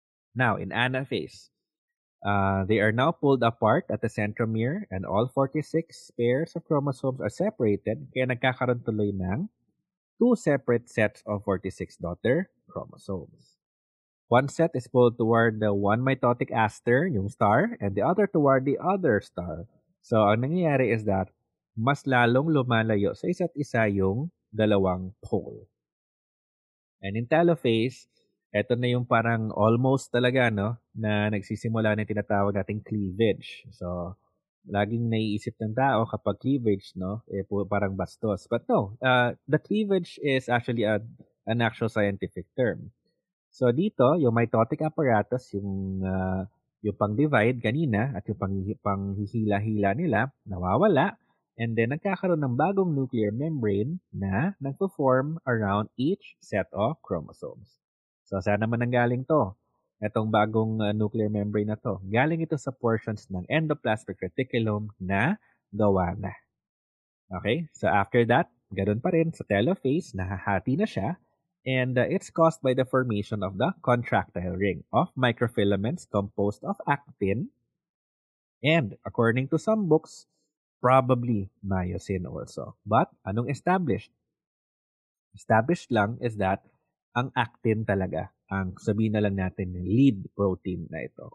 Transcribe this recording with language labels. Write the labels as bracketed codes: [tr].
[en] Now, in anaphase, they are now pulled apart at the centromere and all 46 pairs of chromosomes are separated, [tl] kaya nagkakaroon tuloy ng [en] two separate sets of 46 daughter chromosomes. One set is pulled toward the one mitotic aster, yung star, and the other toward the other star. [tl] So, ang nangyayari is that mas lalong lumalayo sa isa't isa yung dalawang pole. And in telophase, ito na yung parang almost talaga, no, na nagsisimula na yung tinatawag nating cleavage. So, laging naiisip ng tao kapag cleavage, no, eh, parang bastos. [en] But no, the cleavage is actually an actual scientific term. [tl] So, dito, yung mitotic apparatus, yung pang-divide kanina at yung panghihila-hila nila, nawawala. [en] And then, [tl] nagkakaroon ng bagong [en] nuclear membrane na nagpo-form around each set of chromosomes. [tl] So, saan naman nanggaling to? Itong bagong nuclear membrane na to. Galing ito sa portions ng endoplasmic reticulum na gawa na. Okay? So, after that, ganun pa rin sa telophase, nahahati na siya. [en] And it's caused by the formation of the contractile ring of microfilaments composed of actin. And according to some books, probably myosin also. [tl] But anong established? Established lang is that ang actin talaga, ang sabihin na lang natin lead protein na ito.